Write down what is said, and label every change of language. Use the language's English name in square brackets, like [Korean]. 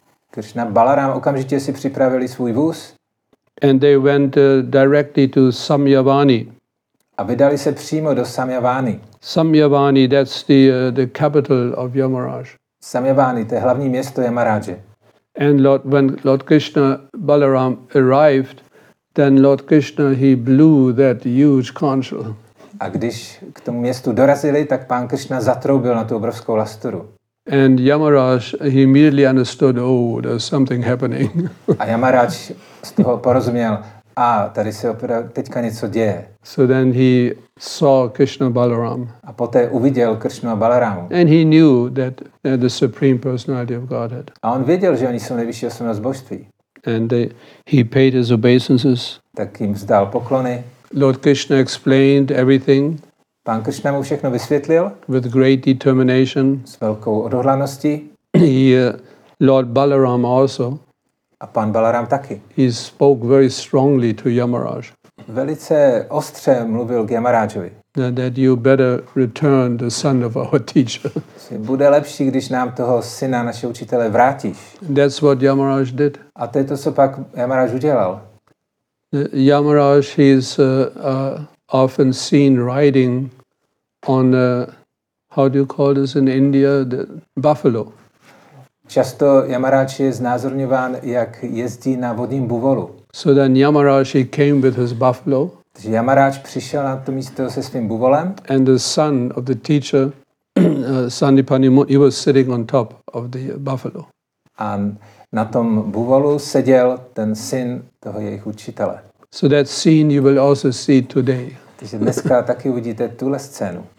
[Czech] Krishna Balaram okamžitě si připravili svůj vůz. [English] And they went directly to Samyavani. [Czech] A vydali se přímo do Samyavani. [English] Samyavani, that's the capital of Yamaraj. [Czech] Samyavani, to je hlavní město Yamaraje. [English] And Lord, when Lord Krishna Balaram arrived, then Lord Krishna he blew that huge conch. [Czech] A když k tomu městu dorazili, tak pán Krishna zatroubil na tu obrovskou lasturu. [English] And Yamaraj, he immediately understood, oh, there's something happening. [Czech] A Yamaraj z toho porozuměl, a tady se teďka něco děje. [English] So then he saw Krishna Balaram. [Czech] A poté uviděl Krishnu a Balaramu. [English] And he knew that the Supreme Personality of Godhead. [Czech] A on věděl, že oni jsou nejvyšší osobnost božství. [English] And he paid his obeisances. [Czech] Tak jim vzdal poklony. [English] Lord Krishna explained everything. [Czech] Pán Krishna mu všechno vysvětlil. [English] With great determination. [Czech] S velkou odhodlaností. [English] Lord Balaram also. [Czech] A pán Balaram taky. [English] He spoke very strongly to Yamaraj. [Czech] Velice ostře mluvil k Yamarajovi. [English] That you better return the son of our teacher. [Czech] Bude lepší, když nám toho syna našeho učitele vrátíš. [English] That's what Yamaraj did. [Czech] A to je to, co pak Yamaraj udělal. [English] Yamaraj, he is often seen riding on a, how do you call this in India, the buffalo. [Czech] Často Yamaraj je znázorňován, jak jezdí na vodním buvolu. [English] So then Yamaraj came with his buffalo. [Czech] Takže Yamaraj přišel na to místo se svým buvolem. [English] And the son of the teacher, Sandipani, he was sitting on top of the buffalo. [Czech] A na tom buvolu seděl ten syn toho jejich učitele. [English] So that scene you will also see today. [Czech] Takže dneska taky uvidíte tuhle scénu.